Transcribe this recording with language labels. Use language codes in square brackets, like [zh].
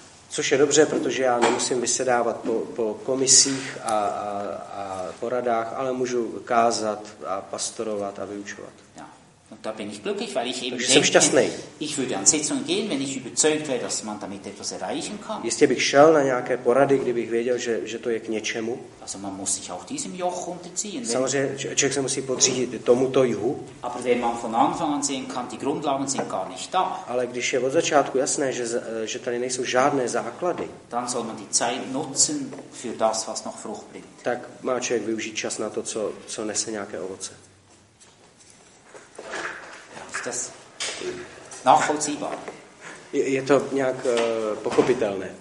[cs] Což je dobře, protože já nemusím vysedávat po komisích a poradách, ale můžu kázat a pastorovat a vyučovat. [de] Und da bin ich glücklich, weil ich eben denke, ich würde an Sitzungen gehen, wenn ich überzeugt wäre, dass man damit etwas erreichen kann. [cs] Jestli bych šel na nějaké porady, kdybych věděl, že to je k něčemu. [de] Also man muss sich auch diesem Joch unterziehen. [cs] Samozřejmě, člověk se musí podřídit tomuto jihu. [de] Aber wenn man von Anfang an sehen kann, die Grundlagen sind gar nicht da. [cs] Ale když je od začátku jasné, že tady nejsou žádné základy. [de] Dann soll man die Zeit nutzen für das, was noch Frucht bringt. [cs] Tak má člověk využít čas na to, co nese nějaké ovoce. [de] Das nachvollziehbar. [cs] Je to nějak pochopitelné.